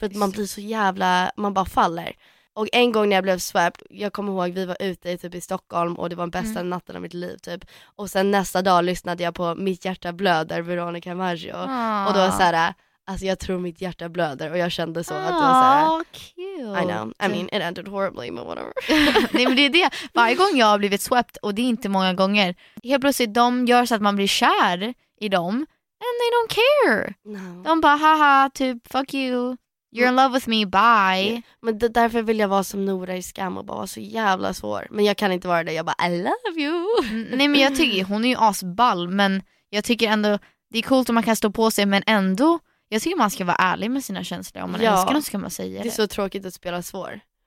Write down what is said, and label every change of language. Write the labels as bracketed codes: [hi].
[sv] För att man blir så jävla, man bara faller. Och en gång när jag blev swept, jag kommer ihåg vi var ute typ i Stockholm och det var den bästa natten av mitt liv typ. Och sen nästa dag lyssnade jag på Mitt hjärta blöder, Veronica Maggio. Aww. Och då var så här, alltså jag tror mitt hjärta blöder. Och jag kände så, aww, att det var så här, [en] cute. I know, I mean it ended horribly, but whatever. [sv] Nej men det är det, varje gång jag har blivit swept, och det är inte många gånger, helt plötsligt de gör så att man blir kär i dem, [en] and they don't care. No. [sv] De bara haha, typ [en] fuck you, you're in love with me, bye. Yeah. [sv] Men därför vill jag vara som Nora i Skam och bara vara så jävla svår. Men jag kan inte vara det, jag bara [en] I love you. [sv] Nej men jag tycker, hon är ju asball, men jag tycker ändå, det är coolt om man kan stå på sig, men ändå, jag tycker man ska vara ärlig med sina känslor. Om man älskar dem, ska man säga det. Det är så tråkigt att spela svår.